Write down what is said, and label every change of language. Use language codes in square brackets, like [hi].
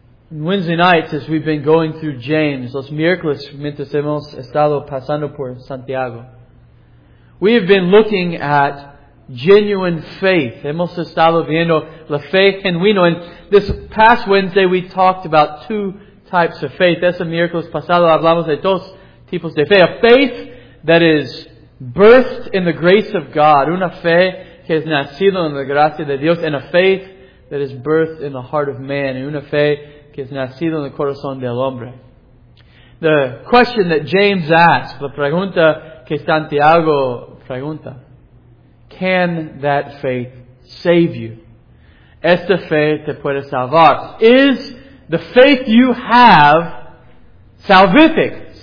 [en] On Wednesday nights, as we've been going through James, [es] los miércoles mientras hemos estado pasando por Santiago, [en] we have been looking at genuine faith. [es] Hemos estado viendo la fe genuina. [en] And this past Wednesday, we talked about two types of faith. [es] Ese miércoles pasado hablamos de dos tipos de fe. [en] A faith that is birthed in the grace of God. [es] Una fe que es nacido en la gracia de Dios. [en] And a faith that is birthed in the heart of man. [es] Y una fe que es nacido en el corazón del hombre. [en] The question that James asks, [es] la pregunta que Santiago pregunta, [en] can that faith save you? [es] Esta fe te puede salvar. [en] Is the faith you have salvific?